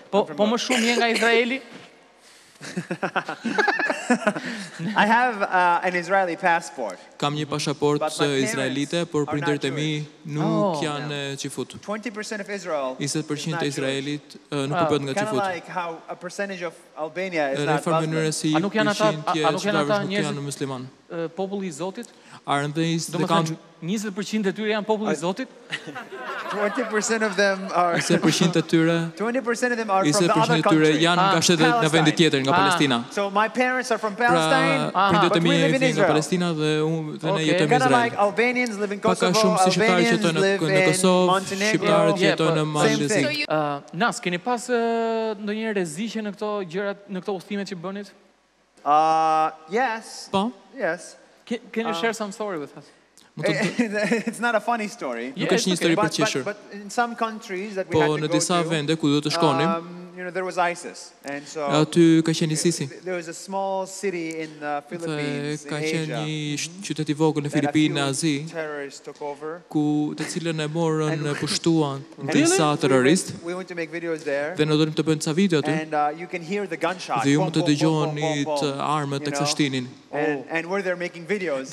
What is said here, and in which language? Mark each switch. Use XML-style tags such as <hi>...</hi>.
<sq>Po më shumë je nga Izraeli?</sq> <en>I have an Israeli passport.</en> <sq>Kam një pasaportë izraelite, por prindërit e mi nuk janë çifut.</sq> <en>20% of Israel. 20%</en> <sq>e Izraelit nuk u bën nga çifut.</sq> <en>Like how a percentage of Albania is not Muslim.</en> <sq>A nuk janë ata musliman. Populli I Zotit?</sq> <en>Aren't they?</en> <sq>Do të thonë 20% e tyre janë populli I Zotit?</sq> <en>20% of them are</en> <sq>20% e tyre.</sq> <en>20% of them are from the other country.</en> <sq>20% e tyre janë nga shtetet në vendi tjetër, nga Palestina.</sq> <en>So my parents are from Palestine. But we live in Israel.</en> <sq>Palestina dhe unë ne jetojmë në Izrael.</sq> <en>Kind of like Albanians live in Kosovo, Albanians live in Montenegro.</en> <sq>Shqiptarët jetojnë në Mali. Nas, keni pas ndonjë rreziqe në këto gjërat, në këto udhëtimet që bënit?</sq> <en>Yes.</en> <sq>Po.</sq> <en>Yes. Can you share some story with us? It's not a funny story.</en> <sq>Nuk është një histori për të qeshur.</sq> <en>But in some countries that we</en> <sq>po,</sq> <en>had to go to.</en> <sq>Po në disa vende ku duhet të shkonim.</sq> <en>You know, there was ISIS. And so</en> <sq>aty ka qenë ISIS.</sq> <en>There was a small city in the Philippines.</en> <sq>Ka qenë një qytet I vogël në Filipinë Azi. Ku të cilën e morën në pushtuan disa terroristë.</sq> <en>We want to make videos there.</en> <sq>Dhe ne dorim të bëjmë disa video aty.</sq> <en>And you can hear the gunshot.</en> <sq>Dhe ju mund të dëgjoni të armët të kështinin.</sq> <en>And were they making videos?</en>